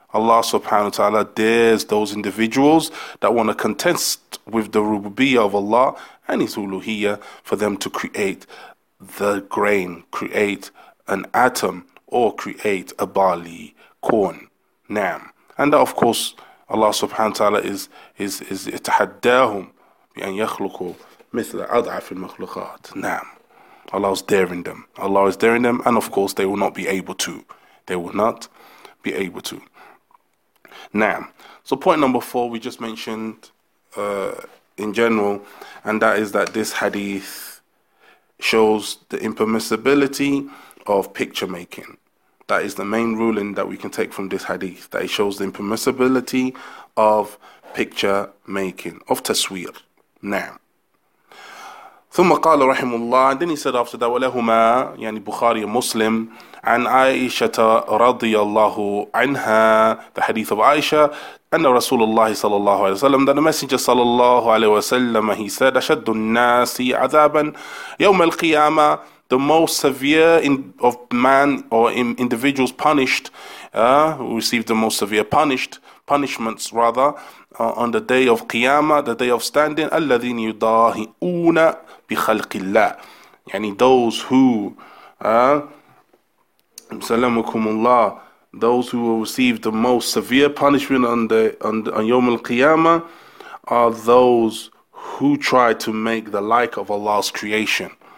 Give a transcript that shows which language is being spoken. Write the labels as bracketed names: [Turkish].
[English] Allah subhanahu wa ta'ala dares those individuals that want to contest with the rububiyyah of Allah and his uluhiyyah for them to create the grain, create an atom, or create a barley corn. Naam. And that of course Allah subhanahu wa ta'ala is [Arabic] يتحداهم بأن يخلقوا مثل أضعف المخلوقات. [English] Naam. Allah is daring them. Allah is daring them, and of course they will not be able to. They will not be able to. Naam. So point number four we just mentioned in general, and that is that this hadith shows the impermissibility of picture making. That is the main ruling that we can take from this hadith, that it shows the impermissibility of picture making, of taswir. [Arabic] Naam. ثُمَّ قَالَ رَحِمُ اللَّهِ. [English] Then he said after that, [Arabic] وَلَهُمَا, يعني بُخَارِي مُسْلِمْ, عَنْ عَائِشَةَ رَضِيَ اللَّهُ عَنْهَا. [English] The hadith of Aisha, [Arabic] أن رسول الله صلى الله عليه وسلم, [English] that the messenger [Arabic] صلى الله عليه وسلم, [English] he said, [Arabic] أَشَدُّ النَّاسِ عَذَابًا يَوْمَ الْقِيَامَةِ. [English] The most severe of man or individuals punished, received the most severe punishments, on the day of Qiyamah, the day of standing. [Arabic] الذين يضاهئون بخلق الله. [English] Yani those who, [Arabic] سلامكم الله, [English] those who will receive the most severe punishment on Yawm al-Qiyamah are those who try to make the like of Allah's creation.